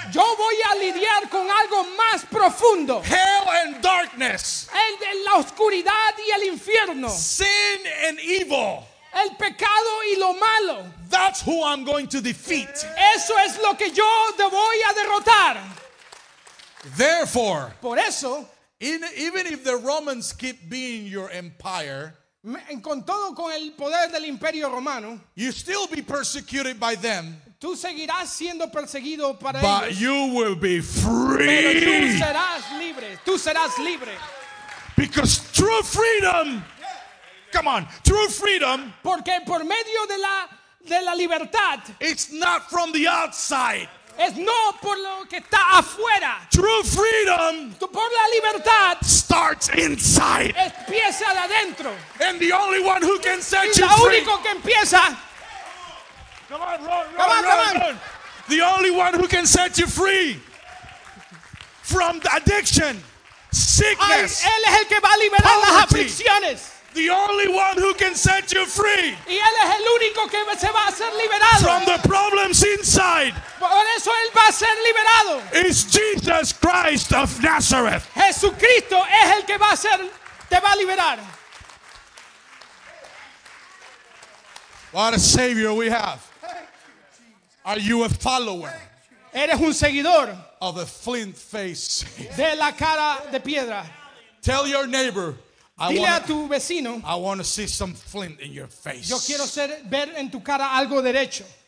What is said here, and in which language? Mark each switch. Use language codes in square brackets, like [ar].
[es] Yo voy a lidiar con algo más profundo. [en] Hell and darkness. [es] La oscuridad y el infierno. [en] Sin and evil. [es] El pecado y lo malo. [en] That's who I'm going to defeat. [es] Eso es lo que yo te voy a derrotar. [en] Therefore. [es] Por eso. [en] Even if the Romans keep being your empire. [es] Con todo con el poder del Imperio Romano. [en] You still be persecuted by them. [es] Tú seguirás siendo perseguido para [en] but [es] ellos. [en] You will be free. [es] Pero tú serás libre. Tú serás libre. [en] Because true freedom. Come on. True freedom. [es] Porque por medio de la libertad. [en] It's not from the outside. [es] Es no por lo que está afuera. [en] True freedom. [es] Por la libertad. [en] Starts inside. [es] Empieza de adentro. [en] And the only one who can set you free. [es] Y lo único que empieza. [en] Come on, run, come on, run, come on. The only one who can set you free from the addiction, sickness, [es] él es el que va a liberar [en] poverty, [es] las aflicciones. [en] The only one who can set you free [es] y él es el único que se va a ser liberado. [en] From the problems inside. [es] Por eso él va a ser liberado. [en] It's Jesus Christ of Nazareth. [es] Jesucristo es el que va a ser, te va a liberar. [en] What a savior we have. Are you a follower? [es] Eres un seguidor. [en] Of a flint face. [es] De la cara de piedra. [en] Tell your neighbor. [es] Dile a tu vecino. [en] I want to see some flint in your face. [es] Yo quiero ver en tu cara algo derecho.